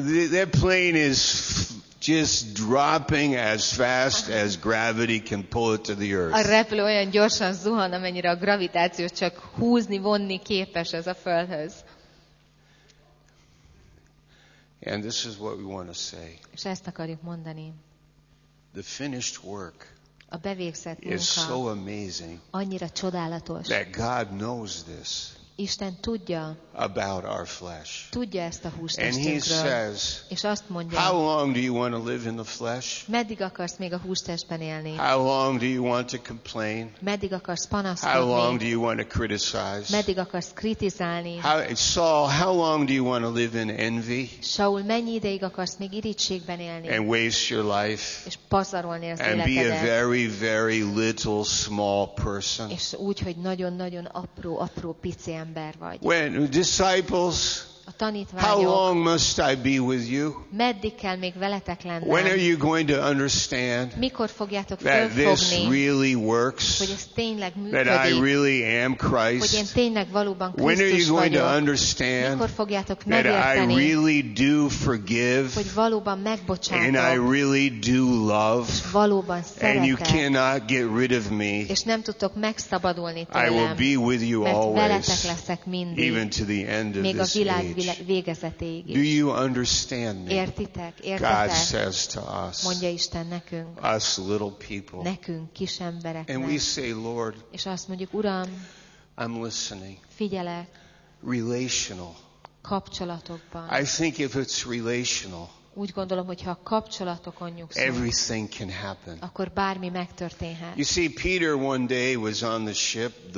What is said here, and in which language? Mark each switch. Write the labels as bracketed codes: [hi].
[en] That plane is just dropping as fast as gravity can pull it to the earth. [hu] A repülő olyan gyorsan zuhan, amennyire a gravitáció csak húzni, vonni képes ez a földhöz. [en] And this is what we want to say. [hu] És ezt akarjuk mondani. [en] The finished work. [hu] A bevégzett munka. [en] Is so amazing. [hu] Annyira csodálatos. [en] That God knows this. [hu] Isten tudja. [en] About our flesh. [hu] Tudja ezt a hústestünkről. [en] And he says, [hu] és azt mondja. [en] How long do you want to live in the flesh? [hu] Meddig akarsz még a hústestben élni? [en] How long do you want to complain? [hu] Meddig akarsz panaszkodni? [en] How long do you want to criticize? [hu] Meddig akarsz kritizálni? [en] How long do you want to live in envy? [hu] Saul, mennyi ideig akarsz még irigységben élni? [en] And waste your life. [hu] És pazarolni az életedet. [en] And be a very, very little, small person. [hu] És úgy, hogy nagyon-nagyon apró pici. [en] When disciples, how long must I be with you? [hu] Meddig kell még veletek lennem? [en] When are you going to understand? [hu] Mikor fogjátok fölfogni? [en] That this really works. [hu] Hogy ez tényleg működik. [en] That I really am Christ. [hu] Hogy én tényleg valóban Krisztus vagyok. [en] When are you going [hu] vagyok? [en] To understand? [hu] Mikor fogjátok megérteni? [en] That I really do forgive. [hu] Hogy valóban megbocsátok. [en] And I really do love. [hu] És valóban szeretek. [en] And you cannot get rid of me. [hu] És nem tudtok megszabadulni tőlem. [en] I will be with you always. [hu] Veletek leszek mindig. [en] Even to the end of this [hu] világ. [en] Age. [hu] Végezetéig is. [en] Do you understand me? [hu] Értitek? Értitek? [en] God says to us, [hu] mondja Isten nekünk, [en] us little people, [hu] nekünk kis embereknek. [en] And we say, Lord, [hu] és azt mondjuk, Uram, [en] I'm listening. [hu] Figyelek. [en] Relational. [hu] Kapcsolatokban. [en] I think if it's relational, [hu] úgy gondolom, hogy ha a kapcsolatokon nyugszunk, [en] everything can happen. [hu] Akkor bármi megtörténhet. [en] You see, Peter one day was on the ship, the